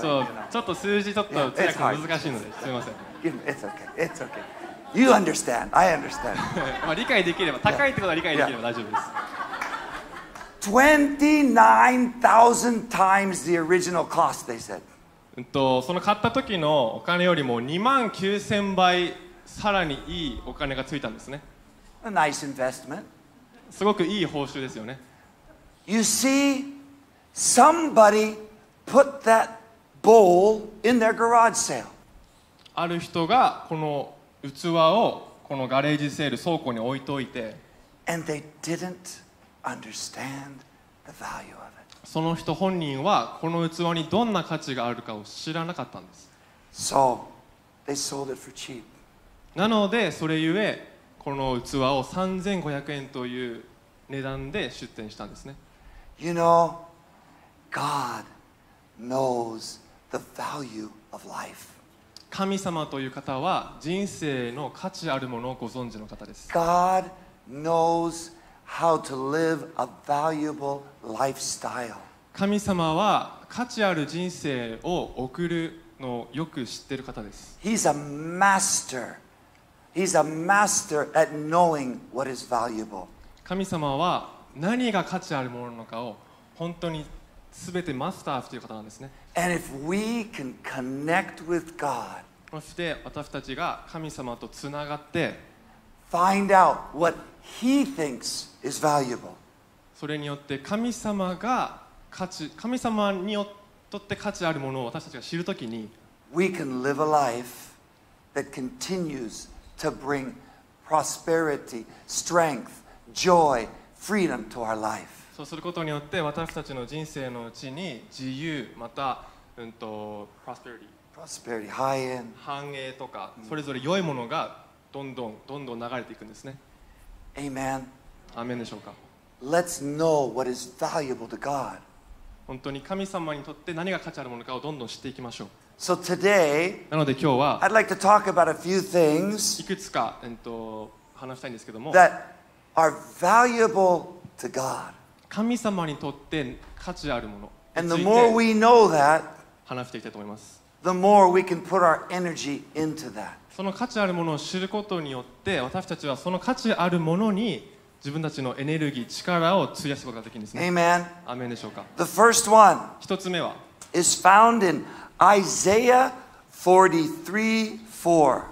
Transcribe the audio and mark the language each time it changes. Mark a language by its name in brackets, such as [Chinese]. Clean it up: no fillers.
[Japanese] そう、ちょっと数字ちょっと通訳難しいので、すみません。 [English] It's okay. It's okay. You understand. I understand. [Japanese] まあ、理解できれば、高いってことは理解できれば大丈夫です。 [English] 29,000 times the original cost, they said. [Japanese] その買った時のお金よりも29,000倍さらにいいお金がついたんですね。 [English] A nice investment. [Japanese] すごくいい報酬ですよね。 [English] You see, somebody put that bowl in their garage sale. [Japanese] ある人がこの器をこのガレージセール倉庫に置いといて、 [English] And they didn't understand the value of it. [Japanese] その人本人はこの器にどんな価値があるかを知らなかったんです。 [English] So they sold it for cheap. [Japanese] なのでそれゆえこの器を3500円という値段で出店したんですね。 [English] You know, God knows the value of life. [Japanese] 神様という方は人生の価値あるものをご存知の方です。 [English] God knows how to live a valuable lifestyle. [Japanese] 神様は価値ある人生を送るのをよく知っている方です。 [English] He's a master. He's a master at knowing what is valuable. [Japanese] 神様は何が価値あるものかを本当に全てマスターという方なんですね。 [English] And if we can connect with God, [Japanese] そして私たちが神様とつながって [English] find out what he thinks is valuable. [Japanese] それによって神様が価値、神様にとって価値あるものを私たちが知るときに [English] we can live a life that continuesTo bring prosperity, strength, joy, freedom to our life. [Japanese] そうすることによって私たちの人生のうちに自由また prosperity, prosperity, 繁栄、繁栄とかそれぞれ良いものがどんどんどんどん流れていくんですね。 [English] Amen. [Japanese] アーメンでしょうか。 [English] Let's know what is valuable to God. [Japanese] 本当に神様にとって何が価値あるものかをどんどん知っていきましょう。 [English] So today, [Japanese] なので今日は、 [English] I'd like to talk about a few things [Japanese] いくつか、話したいんですけども、 [English] that are valuable to God. [Japanese] 神様にとって価値あるもの。 [English] And the more we know that, [Japanese] 話していきたいと思います。 [English] The more we can put our energy into that. [Japanese] その価値あるものを知ることによって、私たちはその価値あるものに自分たちのエネルギー、力を費やすことができるんですね。 [English] Amen. [Japanese] アーメンでしょうか。 [English] The first one, [Japanese] 一つ目は、 [English] is found in Isaiah 43:4.